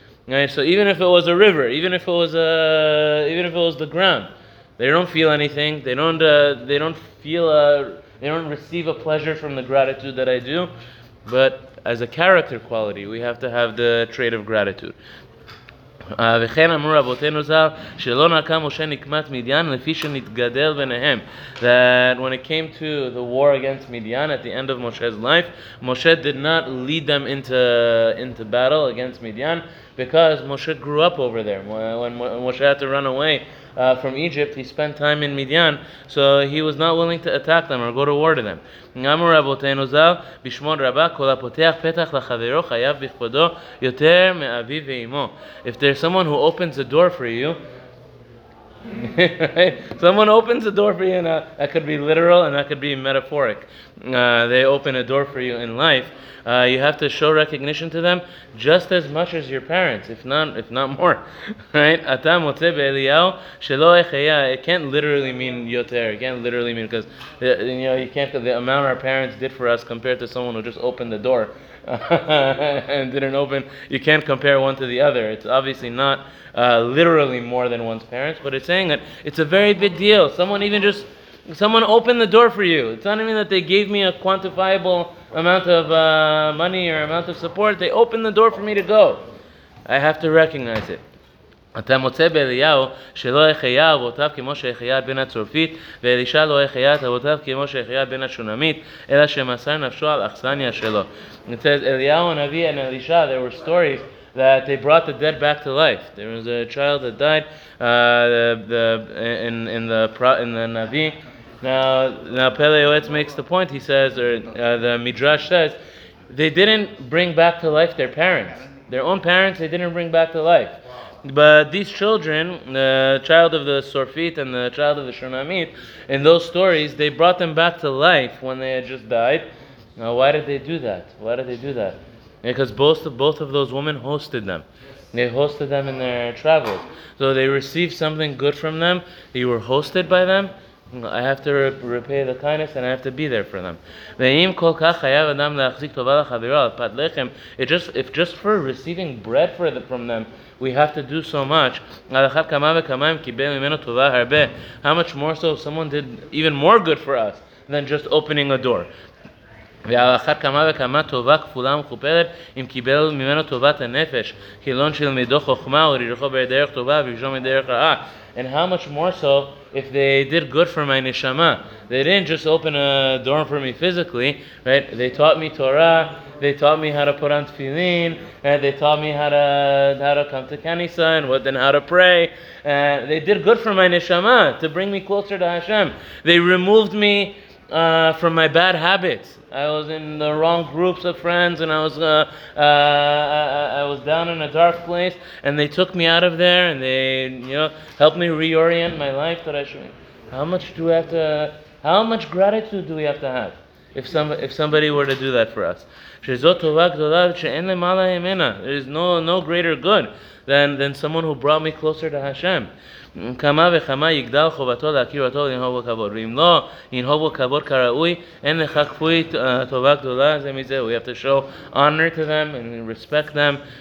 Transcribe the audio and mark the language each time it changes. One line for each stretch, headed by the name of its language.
English: Right, so even if it was a river, even if it was the ground, they don't feel anything. They don't receive a pleasure from the gratitude that I do. But as a character quality, we have to have the trait of gratitude.
Hebrew: וכן אמרו רבותינו זל שלא נקם משה נקמת מדיין לפי שנתגדל ביניהם.
English: That when it came to the war against Midian at the end of Moshe's life, Moshe did not lead them into battle against Midian because Moshe grew up over there. When Moshe had to run away from Egypt, he spent time in Midian, so he was not willing to attack them or go to war to them.
Hebrew: אמרו רבותינו זל בשמו רבה כל הפותח פתח לחברו חייב בכבודו יותר מאביו ואמו.
English: If there's someone who opens the door for you, right? Someone opens the door for you, and that could be literal and that could be metaphoric. They open a door for you in life. You have to show recognition to them just as much as your parents, if not more. Right?
Hebrew: Ata motze be'eliyahu shelo echeya.
English: It can't literally mean yoter. It can't literally mean because you can't the amount our parents did for us compared to someone who just opened the door. and didn't open, you can't compare one to the other. It's obviously not literally more than one's parents, but it's saying that it's a very big deal. Someone opened the door for you. It's not even that they gave me a quantifiable amount of money or amount of support. They opened the door for me to go. I have to recognize it.
Hebrew: אתה מוצא באליהו שלא החיה אבותיו כמו שהחיה בן הצרפית, ואלישה לא החיה את אבותיו כמו שהחיה בן השונמית, אלא שמסר נפשו על אכסניה שלו.
English: It says, אליהו הנביא and אלישה, there were stories that they brought the dead back to life. There was a child that died in the Navi. Now Pele Yoetz makes the point. He says, or the Midrash says, they didn't bring back to life their parents. Their own parents, they didn't bring back to life. But these children, the child of the Sorfit and the child of the Shunamit, in those stories, they brought them back to life when they had just died. Now, why did they do that? Why did they do that? Because both of those women hosted them. They hosted them in their travels. So they received something good from them. They were hosted by them. I have to repay the kindness and I have to be there for them.
Hebrew: ואם כל כך חייב אדם להחזיק טובה לחברו על פת לחם,
English: if just for receiving bread from them, we have to do so much.
Hebrew: על אחת כמה וכמה אם קיבל ממנו טובה הרבה.
English: How much more so if someone did even more good for us than just opening a door.
Hebrew: ועל אחת כמה וכמה טובה כפולה ומכופלת אם קיבל ממנו טובת הנפש, חילון של מידו חוכמה ורירחו בדרך טובה ורירחו בדרך רעה.
English: And how much more so if they did good for my neshama. They didn't just open a dorm for me physically, right? They taught me Torah, they taught me how to put on tefillin, and they taught me how to come to Kanisa and what then how to pray. They did good for my neshama to bring me closer to Hashem. They removed me from my bad habits. I was in the wrong groups of friends and I was down in a dark place, and they took me out of there and they, you know, helped me reorient my life. How much gratitude do we have to have if somebody were to do that for us? There's no greater good than someone who brought me closer to Hashem.
Hebrew: כמה וכמה יגדל חובתו להכיר אותו לנהוב בו כבוד, ואם לא ינהוב בו כבוד כראוי, אין לך כפוי טובה גדולה זה מזה.
English: We have to show honor to them and respect them.